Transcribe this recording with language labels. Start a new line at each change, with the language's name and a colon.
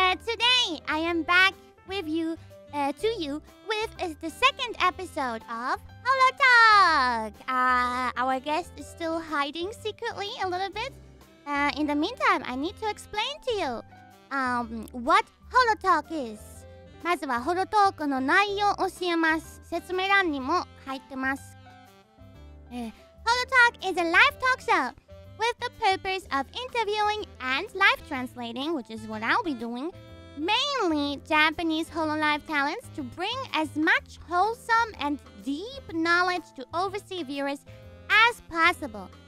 English: today, I am back with you, with the second episode of HoloTalk! Our guest is still hiding secretly a little bit. In the meantime, I need to explain to you what HoloTalk is.
Japanese: まずは HoloTalk の内容を教えます。説明欄にも入ってます。
English: HoloTalk is a live talk show with the purpose of interviewing and live translating, which is what I'll be doing, mainly Japanese HoloLive talents to bring as much wholesome and deep knowledge to overseas viewers as possible.